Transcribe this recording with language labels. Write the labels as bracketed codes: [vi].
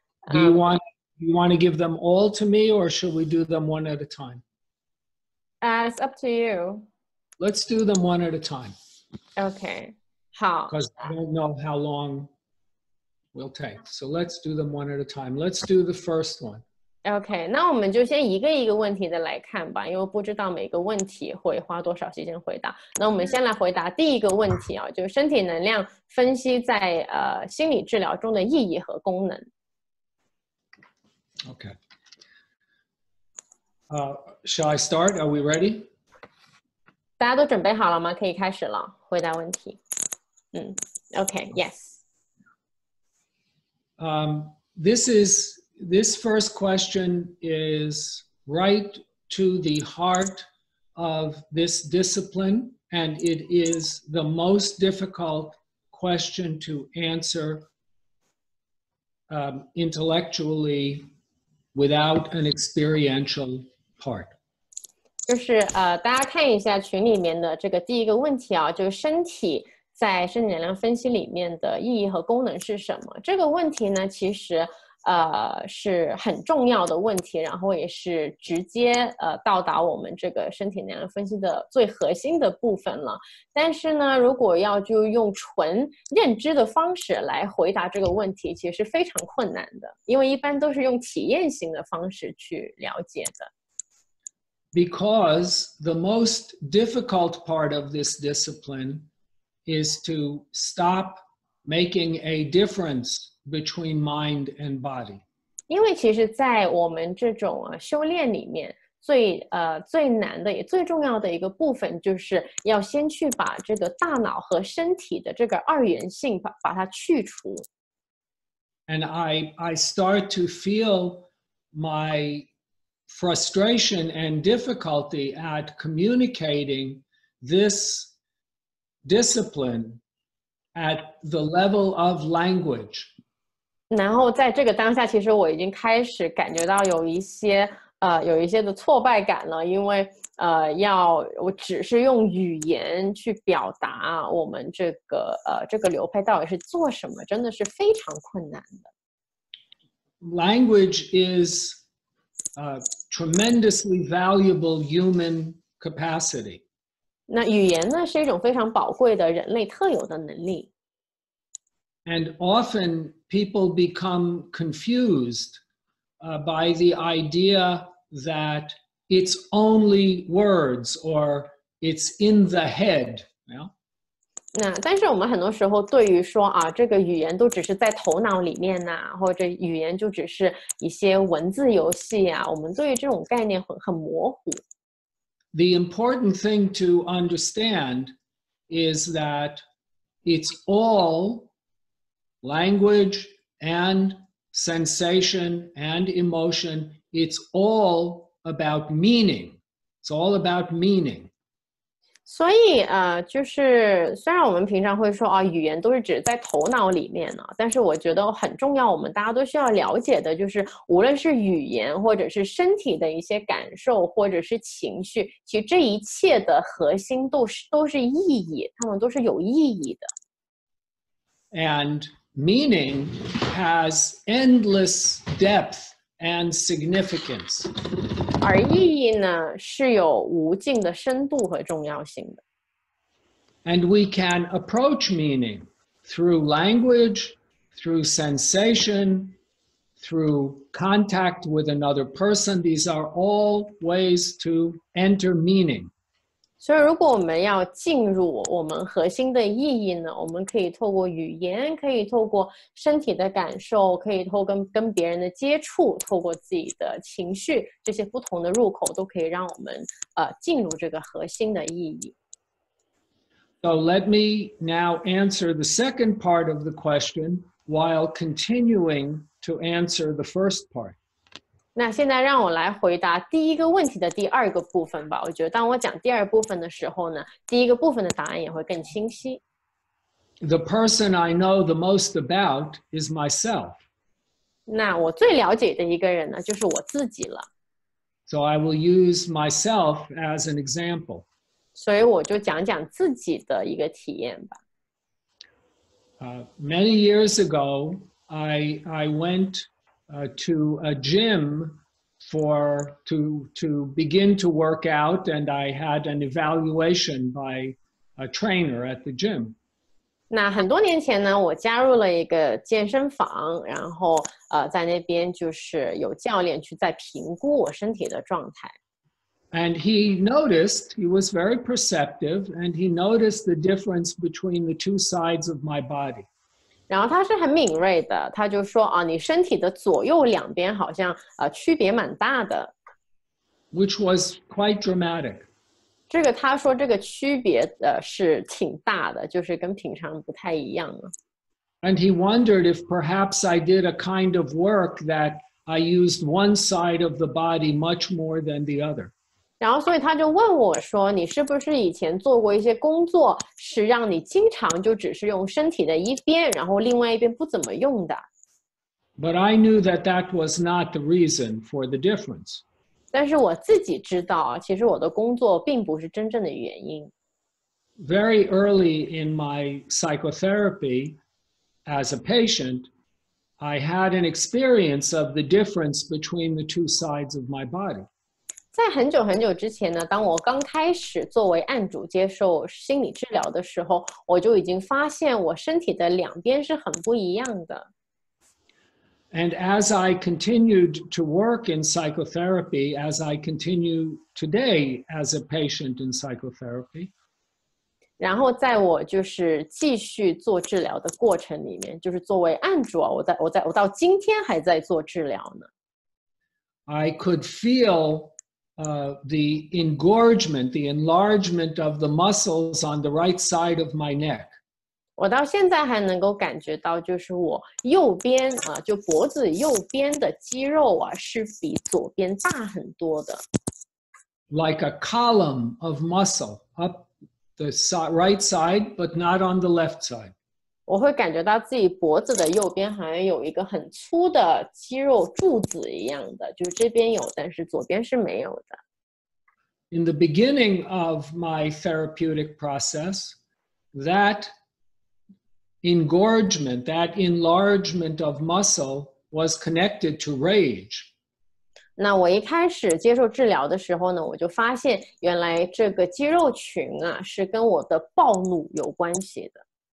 [en] Do you want to give them all to me or should we do them one at a time? It's up to you. Let's do them one at a time. Okay. How? Because I don't know how long we'll take. So let's do them one at a time. Let's do the first one. Okay. [zh] 那我们就先一个一个问题的来看吧，因为不知道每个问题会花多少时间回答。那我们先来回答第一个问题啊，就是身体能量分析在心理治疗中的意义和功能。 [en] Okay. Shall I start? Are we ready? [zh] 大家都准备好了吗？可以开始了，回答问题。嗯 ， [en] Okay, yes. This first question is right to the heart of this discipline, and it is the most difficult question to answer intellectually without an experiential part. [zh] 就是大家看一下群里面的这个第一个问题啊，就是身体在身体能量分析里面的意义和功能是什么？这个问题呢，其实是很重要的问题，然后也是直接到达我们这个身体能量分析的最核心的部分了。但是呢，如果要就用纯认知的方式来回答这个问题，其实是非常困难的，因为一般都是用体验型的方式去了解的。 [en] Because the most difficult part of this discipline is to stop making a difference between mind and body. [zh] 因为其实在我们这种修炼里面最难的也最重要的一个部分，就是要先去把这个大脑和身体的这个二元性 把它去除。 [en] And I start to feel my frustration and difficulty at communicating this discipline at the level of language. [zh] 然后在这个当下，其实我已经开始感觉到有一些的挫败感了，因为要我只是用语言去表达我们这个流派到底是做什么，真的是非常困难的。 [en] Language is a tremendously valuable human capacity. [zh] 那语言呢，是一种非常宝贵的人类特有的能力。 [en] And often people become confused by the idea that it's only words or it's in the head. No, [zh] 但是我们很多时候对于说啊，这个语言都只是在头脑里面啊，或者语言就只是一些文字游戏啊，我们对于这种概念很模糊。 [en] The important thing to understand is that it's all language and sensation and emotion, it's all about meaning. It's all about meaning. [zh] 所以就是虽然我们平常会说语言都是只在头脑里面呢，但是我觉得很重要，我们大家都需要了解的就是无论是语言或者是身体的一些感受或者是情绪，其实这一切的核心都是意义，它们都是有意义的。 [en] And meaning has endless depth and significance. [zh] 而意义呢，是有无尽的深度和重要性的。 [en] And we can approach meaning through language, through sensation, through contact with another person. These are all ways to enter meaning. [zh] 所以如果我们要进入我们核心的意义呢，我们可以透过语言，可以透过身体的感受，可以透过 跟别人的接触，透过自己的情绪，这些不同的入口都可以让我们进入这个核心的意义。 [en] So let me now answer the second part of the question while continuing to answer the first part. [zh] 那现在让我来回答第一个问题的第二个部分吧。我觉得当我讲第二部分的时候呢，第一个部分的答案也会更清晰。 [en] The person I know the most about is myself. [zh] 那我最了解的一个人呢，就是我自己了。 [en] So I will use myself as an example. [zh] 所以我就讲讲自己的一个体验吧。 [en] Many years ago, I wentto a gym to begin to work out, and I had an evaluation by a trainer at the gym. [zh] 那很多年前呢，我加入了一个健身房，然后在那边就是有教练去在评估我身体的状态。 [en] And he noticed, he was very perceptive, and he noticed the difference between the two sides of my body. [zh] 然后他是很敏锐的，他就说啊，你身体的左右两边好像区别蛮大的。 [en] Which was quite dramatic. [zh] 这个他说这个区别是挺大的，就是跟平常不太一样了。 [en] And he wondered if perhaps I did a kind of work that I used one side of the body much more than the other. [zh] 然后所以他就问我说，你是不是以前做过一些工作是让你经常就只是用身体的一边，然后另外一边不怎么用的。 [en] But I knew that that was not the reason for the difference. [zh] 但是我自己知道其实我的工作并不是真正的原因。 [en] Very early in my psychotherapy as a patient, I had an experience of the difference between the two sides of my body. [zh] 在很久很久之前呢，当我刚开始作为案主接受心理治疗的时候，我就已经发现我身体的两边是很不一样的。 [en] And as I continued to work in psychotherapy, as I continue today as a patient in psychotherapy, [zh] 然后在我就是继续做治疗的过程里面，就是作为案主，我到今天还在做治疗呢。 [en] I could feel the engorgement, the enlargement of the muscles on the right side of my neck. [zh] 我到现在还能够感觉到，就是我右边啊，就脖子右边的肌肉啊，是比左边大很多的。 [en] Like a column of muscle up the right side, but not on the left side. [zh] 我会感觉到自己脖子的右边好像有一个很粗的肌肉柱子一样的，就是这边有，但是左边是没有的。 [en] In the beginning of my therapeutic process, that engorgement, that enlargement of muscle was connected to rage. [zh] 那我一开始接受治疗的时候呢，我就发现原来这个肌肉群啊是跟我的暴怒有关系的。